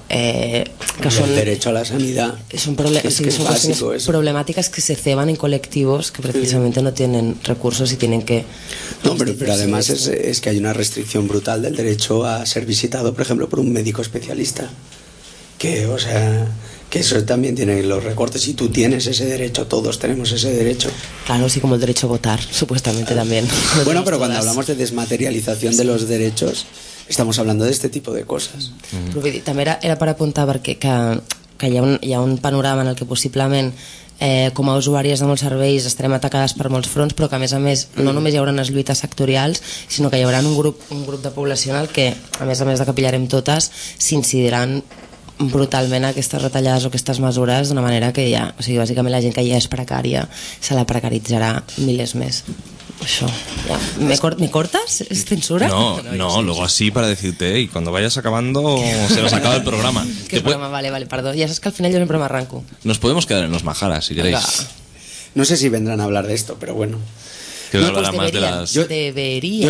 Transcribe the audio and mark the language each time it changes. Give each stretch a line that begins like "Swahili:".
Catalan: que són el dret a la sanitat. Són problemàtiques que se ceban en col·lectius que precisament no tenen recursos i tenen que... No, però además és que hi ha una restricció brutal del dret a ser visitat, per exemple, per un mèdic especialista.
Spanish: Que, o sea, que eso también tiene los recortes, y tú tienes ese derecho, todos tenemos ese derecho. Claro, sí, como el derecho a votar, supuestamente también. Bueno, pero cuando hablamos de desmaterialización de los derechos, estamos hablando de este tipo de cosas. También era para apuntar
Catalan: que hi ha un panorama en el que possiblement com a usuàries de molts serveis estarem atacades per molts fronts, però que a més no només hi haurà les lluites sectorials, sinó que hi haurà un grup de població en el que a més de que pillarem totes, s'incidiran brutalment aquestes retallades o aquestes mesures d'una manera que ja, o sigui, bàsicament la gent que ja és precària se la precaritzarà milers més. Això, ja.
Spanish: ¿Me cortas? ¿Es censura? No, luego así para decirte, y cuando vayas acabando se nos acaba el programa. ¿Qué programa? Vale, perdón, ya sabes que al final yo siempre me arranco. Nos podemos quedar en los majaras, si queréis. Venga. No sé si vendrán a hablar de esto, pero bueno. Que no, pues más de las... Yo